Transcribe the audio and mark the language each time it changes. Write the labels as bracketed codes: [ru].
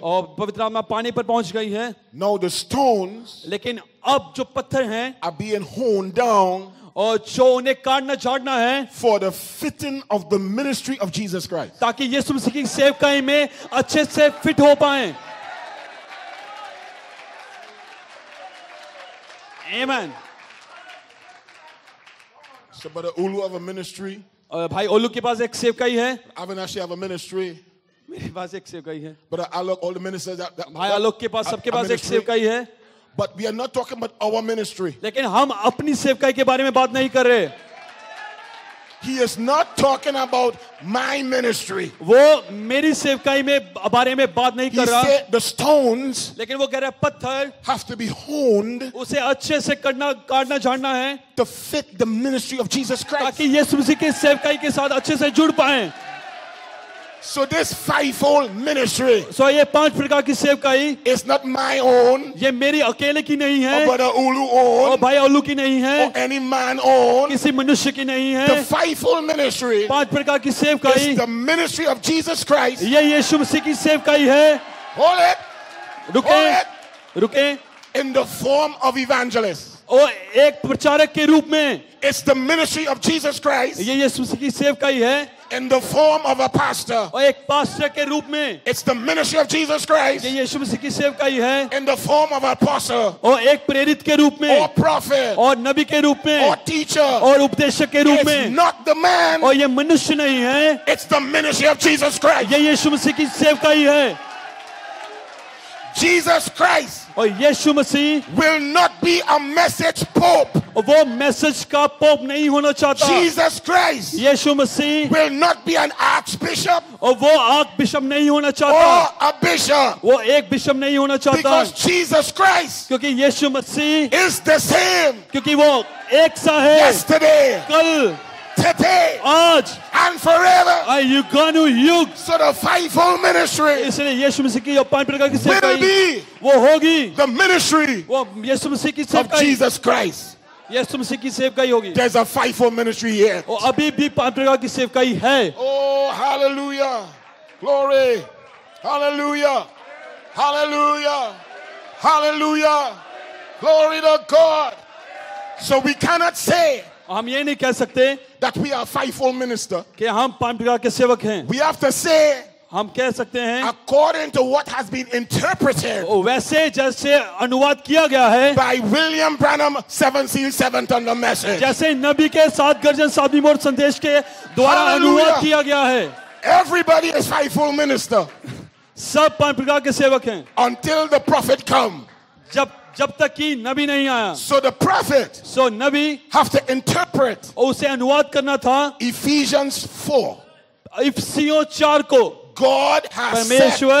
[hi] और पवित्र आत्मा पानी पर पहुंच गई है. [en] Now the stones. [hi] लेकिन अब जो पत्थर हैं. [en] Are being honed down. [hi] और जो उन्हें काटना झाड़ना है. [en] For the fitting of the ministry of Jesus Christ. [hi] ताकि यीशु मसीह की सेवकाई में अच्छे से फिट हो पाए. [en] Amen. So, Brother Ulu have a ministry. [hi] Bhai Ulu ke paas ek sevkai hai. [en] Avinashi have a ministry. [hi] Mere paas ek sevkai hai. [en] But Alok, all the ministers that [hi] Bhai Alok ke paas sabke paas ek sevkai hai. [en] But we are not talking about our ministry. [hi] Lekin hum apni sevkai ke bare mein baat nahi kar rahe. [en] He is not talking about my ministry. [hi] वो मेरी सेवकाई में बारे में बात नहीं कर रहा. [en] He said the stones. [hi] लेकिन वो कह रहा है पत्थर. [en] Have to be honed. [hi] उसे अच्छे से करना काटना झाड़ना है. [en] To fit the ministry of Jesus Christ. [hi] ताकि यीशु मसीह के सेवकाई के साथ अच्छे से जुड़ पाएं. [en] So this fivefold ministry. [hi] So ये पांच प्रकार की सेवकाई. [en] It's not my own. [hi] ये मेरी अकेले की नहीं है. [en] Or Brother Ulu own. [hi] और भाई उल्लू की नहीं है. [en] Or any man own. [hi] किसी मनुष्य की नहीं है. [en] The fivefold ministry. [hi] पांच प्रकार की सेवकाई. [en] It's the ministry of Jesus Christ. [hi] ये यीशु मसीह की सेवकाई है. [en] Hold it. [hi] रुके. [en] Hold it. [hi] रुके. [en] In the form of evangelist. [hi] और एक प्रचारक के रूप में. [en] It's the ministry of Jesus Christ. [hi] ये यीशु मसीह की सेवकाई है. [en] In the form of a pastor. [hi] और एक पास्टर के रूप में. [en] It's the ministry of Jesus Christ. [hi] ये यीशु मसीह की सेवकाई है. [en] In the form of an apostle. [hi] और एक प्रेरित के रूप में. [en] Or prophet. [hi] और नबी के रूप में. [en] Or teacher. [hi] और उपदेशक के रूप में. [en] It's not the man. [hi] और ये मनुष्य नहीं है. [en] It's the ministry of Jesus Christ. [hi] ये यीशु मसीह की सेवकाई है. [en] Jesus Christ. [hi] और यीशु मसीह. [en] Will not be a message pope. [hi] वो मैसेज का पोप नहीं होना चाहता. [en] Jesus Christ. [hi] Yeshu Masih. [en] Will not be an archbishop. [hi] और वो आर्कबिशप नहीं होना चाहता. [en] Or a bishop. [hi] वो एक बिशप नहीं होना चाहता. [en] Because Jesus Christ. [hi] क्योंकि यीशु मसीह. [en] Is the same. [hi] क्योंकि वो एक सा है. [en] Yesterday. [hi] कल. [en] Today. [hi] आज. [en] And forever. Are you going to युग. So the fivefold ministry. [hi] इसलिए यीशु मसीह की पांच प्रकार की सेवकाई. [en] Will be. [hi] वो होगी. [en] The ministry. [hi] वो यीशु मसीह की सेवकाई. [en] Of Jesus Christ. [hi] यीशु मसीह की सेवकाई होगी. [en] There's a fivefold ministry here. [hi] और अभी भी पांच प्रकार की सेवकाई है. [en] Oh, hallelujah. Glory. Hallelujah. Hallelujah. Hallelujah. Glory to God. So we cannot say. [hi] हम ये नहीं कह सकते. [en] That we are fivefold minister. [hi] कि हम पांच प्रकार के सेवक हैं. [en] We have to say. [hi] हम कह सकते हैं. [en] According to what has been interpreted. [hi] वैसे जैसे अनुवाद किया गया है. [en] By William Branham, seven seal, seven thunder message. [hi] जैसे नबी के सात गर्जन सात मोहर संदेश के द्वारा अनुवाद किया गया है. [en] Everybody is faithful minister. [hi] सब पांच प्रकार के सेवक हैं. [en] Until the prophet come. [hi] जब जब तक कि नबी नहीं आया. [en] So the prophet, [hi] so Nabi [en] have to interpret, [hi] उसे अनुवाद करना था. [en] Ephesians 4, [hi] इफिसियों 4 को. [en] God has [hi] परमेश्वर